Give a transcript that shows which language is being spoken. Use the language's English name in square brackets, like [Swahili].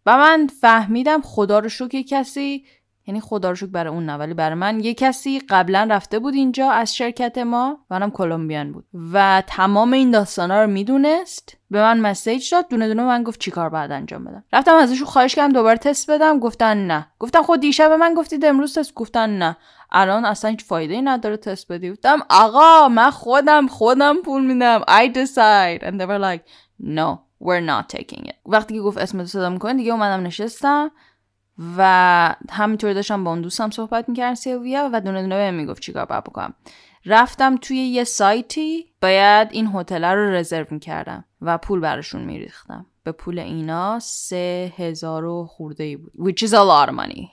[Persian] و من فهمیدم خدا رو شکر کسی، یعنی خدا رو شکر برای اون نه، ولی برای من، یه کسی قبلا رفته بود اینجا از شرکت ما و اونم کولومبیان بود و تمام این داستانا رو میدونست، به من مسیج داد، دونه دونه من گفت چیکار بعد انجام بدم. رفتم ازشون خواهش کردم دوباره تست بدم، گفتن نه. گفتم خود دیشب به من گفتید امروز تست، گفتن نه، الان اصلا هیچ فایده ای نداره تست بدی. گفتم آقا من خودم پول میدم، [English] I decide. And they were like no, we're not taking it. [Persian] وقتی که گفت اسمت صدا میکنه دیگه اومدم نشستم و همینطوری داشتم با اون دوستم صحبت میکردم، سیلویا، و دونه دونه بهم میگفت چیکار باید بکنم. رفتم توی یه سایتی، باید این هتل رو رزرو میکردم و پول براشون میریختم. به پول اینا 3000 خورده ای بود، [English] which is a lot of money.